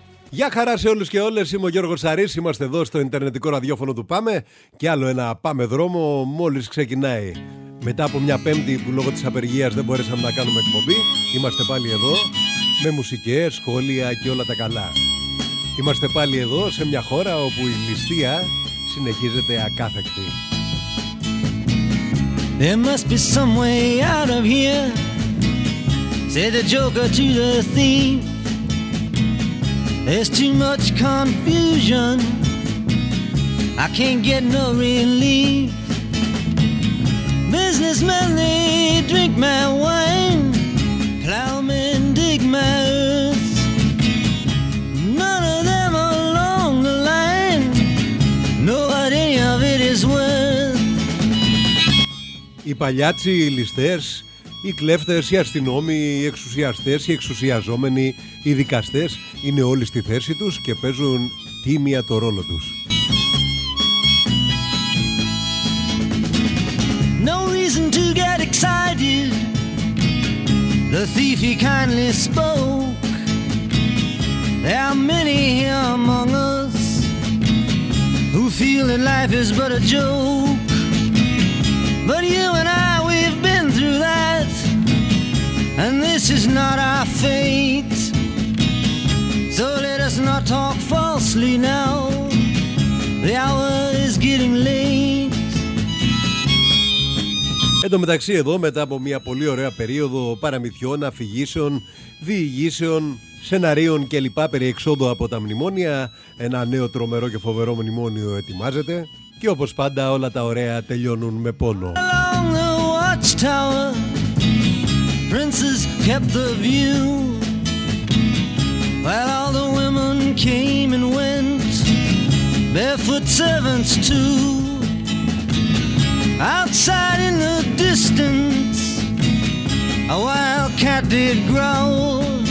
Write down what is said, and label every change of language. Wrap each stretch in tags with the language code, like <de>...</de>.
<el>Γεια χαρά σε όλους και όλες, είμαι ο Γιώργος Σαρής, είμαστε εδώ στο ιντερνετικό ραδιόφωνο του Πάμε και άλλο ένα Πάμε Δρόμο μόλις ξεκινάει. Μετά από μια Πέμπτη που λόγω της απεργίας δεν μπορέσαμε να κάνουμε εκπομπή, είμαστε πάλι εδώ με μουσικές, σχόλια και όλα τα καλά. Είμαστε πάλι εδώ σε μια χώρα όπου η ληστεία συνεχίζεται ακάθεκτη.</el> <en>There must be some way out of here, said the Joker to the thief. There's too much confusion, I can't get no relief. Businessmen, they drink my wine, plowmen dig my earth. None of them along the line know what any of it is worth.</en> <el>Οι παλιάτσοι, οι ληστές, οι κλέφτες, οι αστυνόμοι, οι εξουσιαστές, οι εξουσιαζόμενοι, οι δικαστές είναι όλοι στη θέση τους και παίζουν τίμια το ρόλο τους.</el> <en>No reason to get excited, the thief he kindly spoke. There are many here among us who feel that life is but a joke. But you and I, we've been through that, and this is not our fate. So let us not talk falsely now, the hour is getting late.</en> <el>Εν τω μεταξύ εδώ, μετά από μια πολύ ωραία περίοδο παραμυθιών, αφηγήσεων, διηγήσεων, σεναρίων και λοιπά περί εξόδου από τα μνημόνια, ένα νέο τρομερό και φοβερό μνημόνιο ετοιμάζεται και όπως πάντα όλα τα ωραία τελειώνουν με πόνο.</el> <en>Along the watchtower, princes kept the view. While all the women came and went, barefoot servants too. Outside in the distance, a wild cat did growl.</en>